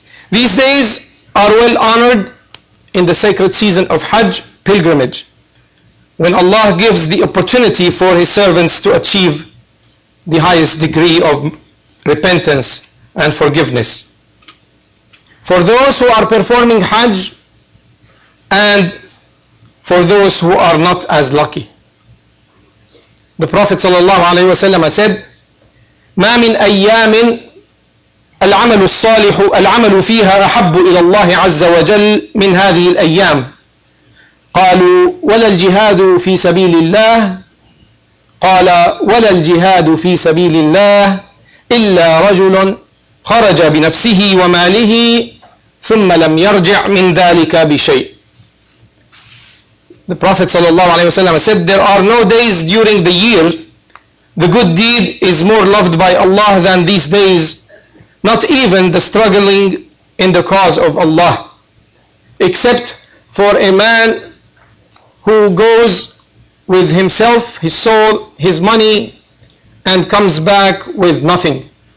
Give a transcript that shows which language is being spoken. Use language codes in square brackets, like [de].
[en] These days are well honored in the sacred season of Hajj pilgrimage, when Allah gives the opportunity for His servants to achieve the highest degree of repentance and forgiveness. For those who are performing Hajj and for those who are not as lucky. The Prophet sallallahu alaihi wasallam said, [ar] مَا مِنْ أَيَّامٍ العمل الصالح العمل فيها أحب إلى الله عز وجل من هذه الأيام قالوا ولا الجهاد في سبيل الله قال ولا الجهاد في سبيل الله إلا رجل خرج بنفسه وماله ثم لم يرجع من ذلك بشيء. [en] The Prophet صلى الله عليه وسلم said, there are no days during the year the good deed is more loved by Allah than these days, not even the struggling in the cause of Allah, except for a man who goes with himself, his soul, his money, and comes back with nothing.